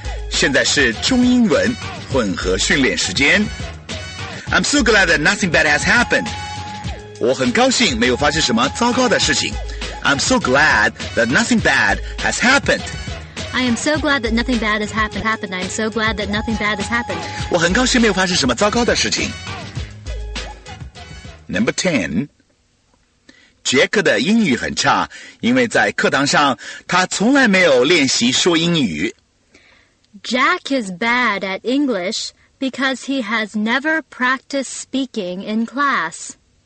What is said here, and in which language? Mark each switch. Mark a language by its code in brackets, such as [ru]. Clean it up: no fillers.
[zh] 现在是中英文混合训练时间。 [en] I'm so glad that nothing bad has happened. [zh] 我很高兴没有发生什么糟糕的事情。 [en] I'm so glad that nothing bad has happened. I am so glad that nothing bad has happened. I am so glad that nothing bad has happened. [zh] 我很高兴没有发生什么糟糕的事情。 [en] Number 10. [zh] 杰克的英语很差，因为在课堂上他从来没有练习说英语。 [en] Jack is bad at English because he has never practiced speaking in class.